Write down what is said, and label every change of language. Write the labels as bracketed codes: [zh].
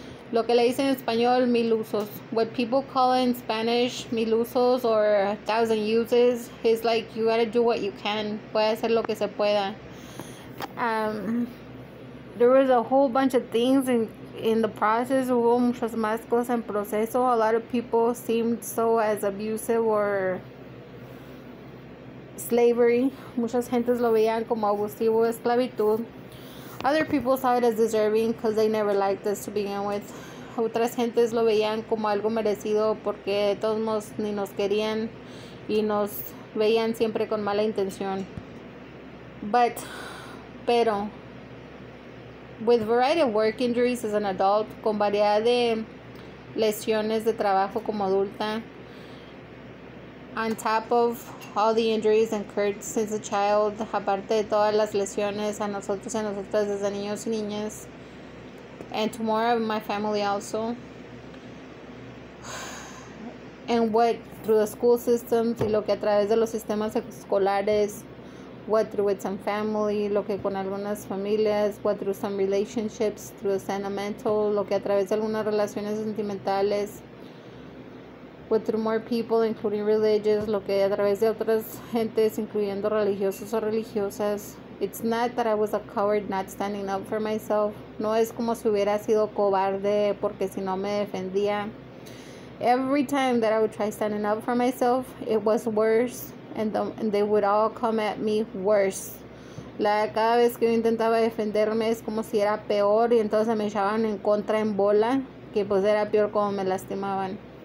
[es] Lo que le dice en español, mil usos. [en] What people call in Spanish, mil usos or a thousand uses, is like you gotta do what you can. [es] Puede hacer lo que se pueda. [en] There was a whole bunch of things in the process. [es] Hubo muchas más cosas en proceso. [en] A lot of people seemed so as abusive or slavery. [es] Muchas gentes lo veían como abusivo, esclavitud. [en] Other people saw it as deserving because they never liked us to begin with. [es] Otras gentes lo veían como algo merecido porque de todos modos ni nos querían y nos veían siempre con mala intención. Pero, [en] with variety of work injuries as an adult, [es] con variedad de lesiones de trabajo como adulta, [en] on top of all the injuries incurred since a child, [es] aparte de todas las lesiones a nosotros y a nosotras desde niños y niñas, [en] and to more of my family also, and what through the school systems [es] y lo que a través de los sistemas escolares, [en] what through with some family, [es] lo que con algunas familias, [en] what through some relationships, through the sentimental, [es] lo que a través de algunas relaciones sentimentales, [en] with through more people, including religious, [es] lo que a través de otras gentes, incluyendo religiosos o religiosas. [en] It's not that I was a coward not standing up for myself. [es] No es como si hubiera sido cobarde porque si no me defendía. [en] Every time that I would try standing up for myself, it was worse, and they would all come at me worse. [es] Cada vez que yo intentaba defenderme es como si era peor, y entonces me echaban en contra en bola, que pues era peor como me lastimaban.